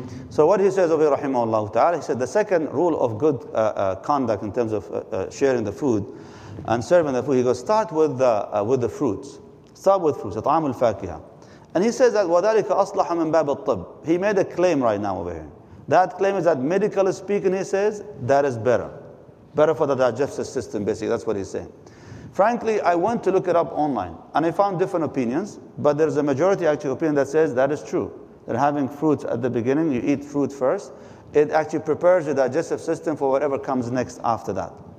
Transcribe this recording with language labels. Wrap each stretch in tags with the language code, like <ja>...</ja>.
<en>So what he says over here, rahimahullah ta'ala, he said the second rule of good conduct in terms of sharing the food and serving the food, he goes, start with the fruits. Start with fruits. At'am al-fakiha. And he says that,</en> <ar>وَذَلِكَ أَصْلَحَ مِنْ بَابِ الطَّبِّ.</ar> <en>He made a claim right now over here. That claim is that, medically speaking, he says, that is better. Better for the digestive system, basically. That's what he's saying. Frankly, I went to look it up online, and I found different opinions, but there's a majority, actually, opinion that says that is true. They're having fruits at the beginning, you eat fruit first. It actually prepares your digestive system for whatever comes next after that.</en>